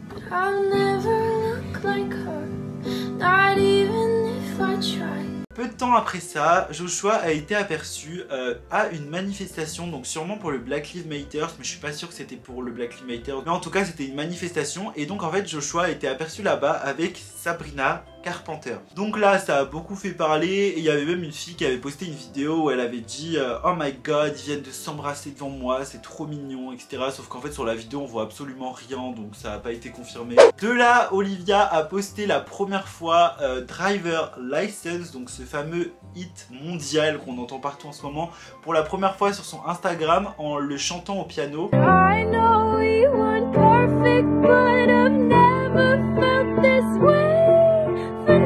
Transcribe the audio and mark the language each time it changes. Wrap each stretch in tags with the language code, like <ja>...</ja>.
<en>I'll never look like her, not even if I</en> <fr>Peu de temps après ça, Joshua a été aperçu à une manifestation, donc sûrement pour le Black Lives Matter, mais je suis pas sûr que c'était pour le Black Lives Matter, mais en tout cas c'était une manifestation, et donc en fait Joshua a été aperçu là-bas avec Sabrina Carpenter. Donc là ça a beaucoup fait parler, et il y avait même une fille qui avait posté une vidéo où elle avait dit</fr> <en>oh my god,</en> <fr>ils viennent de s'embrasser devant moi, c'est trop mignon, etc. Sauf qu'en fait sur la vidéo on voit absolument rien, donc ça a pas été confirmé. De là, Olivia a posté la première fois Driver License, donc ce fameux hit mondial qu'on entend partout en ce moment, pour la première fois sur son Instagram en le chantant au piano.</fr> <en>I know we weren't perfect, but I've never felt this way.</en>